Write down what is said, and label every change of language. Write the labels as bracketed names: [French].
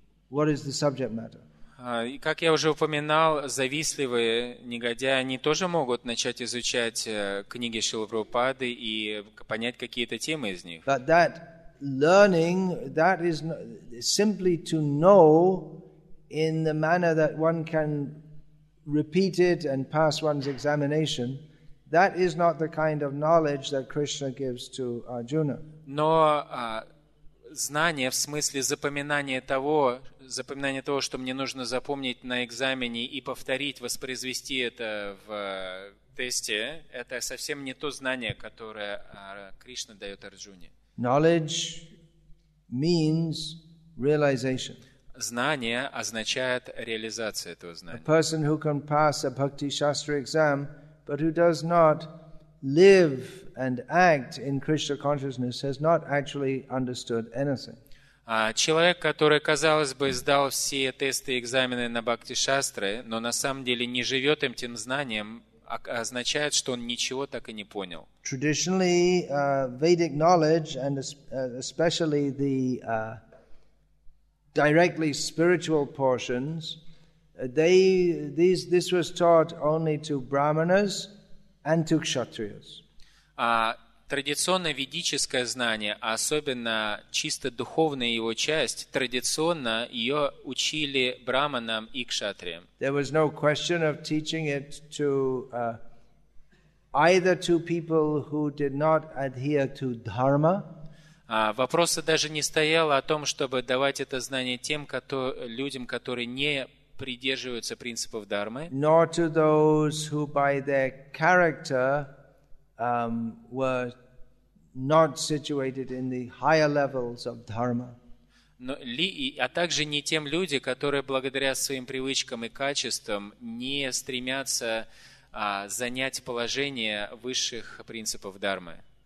[English] What is the subject matter? [Russian] Как я уже упоминал, завистливые негодяи, они тоже могут начать изучать книги Шрилы Прабхупады и понять какие-то темы из них. [English] But that learning, that is simply to know in the manner that one can repeat it and pass one's examination. That is not the kind of knowledge that Krishna gives to Arjuna. [Russian] Но знание в смысле запоминания того, что мне нужно запомнить на экзамене и повторить, воспроизвести это в тесте, это совсем не то знание, которое Кришна дает Арджуне. [English] Knowledge means realization. [Russian] Знание означает реализация этого знания. [English] A person who can pass a Bhakti Shastra exam, but who does not live and act in Krishna consciousness has not actually understood anything. [Russian] Человек, который, казалось бы, сдал все тесты и экзамены на Бхакти-шастры, но на самом деле не живет этим знанием, означает, что он ничего так и не понял. [English] Traditionally, Vedic knowledge and especially the directly spiritual portions, this was taught only to brahmanas and to kshatriyas. [Russian] Традиционное ведическое знание, а особенно чисто духовная его часть, традиционно ее учили брахманам и кшатриям. [English] There was no question of teaching it to either to people who did not adhere to dharma. [Russian] Вопроса даже не стояло о том, чтобы давать это знание тем, людям, которые не придерживаются принципов дхармы. [English] Nor to those who by their character were not situated in the higher levels of dharma. [Russian] А также не тем людям, которые благодаря своим привычкам и качествам не стремятся занять положение высших принципов дхармы.